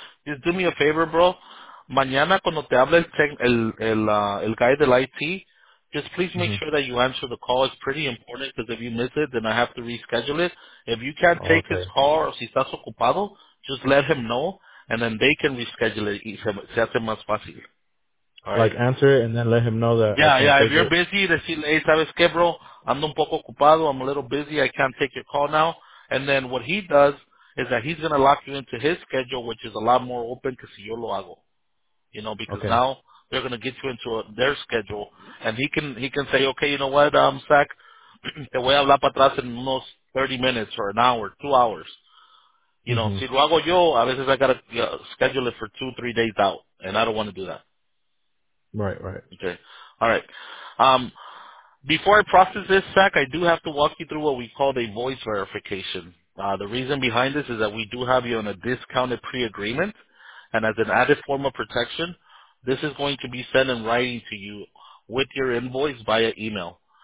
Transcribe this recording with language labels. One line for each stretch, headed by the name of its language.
English: Just do me a favor, bro.
Spanish: Mañana cuando te hable el guy del IT,
English: just please make sure that you answer the call. It's pretty important because if you miss it, then I have to reschedule it. If you can't take his call or
Spanish: si estás ocupado,
English: just let him know. And then they can reschedule it.
Spanish: Se hace más fácil.
English: Right. Like answer it and then let him know that. Yeah. If you're busy,
Spanish: decirle, hey, ¿sabes qué, bro? Ando un poco ocupado.
English: I'm a little busy. I can't take your call now. And then what he does is that he's going to lock you into his schedule, which is a lot more open
Spanish: que si yo lo hago.
English: You know, because now they're going to get you into their schedule. And he can say, okay, you know what, Zach?
Spanish: Te voy a hablar para atrás en unos 30
English: minutes or an hour, 2 hours. You know,
Spanish: si lo hago yo, a veces
English: I gotta schedule it for 2-3 days out, and I don't want to do that. Right. Okay. All right. Before I process this, Zach, I do have to walk you through what we call a voice verification. The reason behind this is that we do have you on a discounted pre-agreement, and as an added form of protection, this is going to be sent in writing to you with your invoice via email.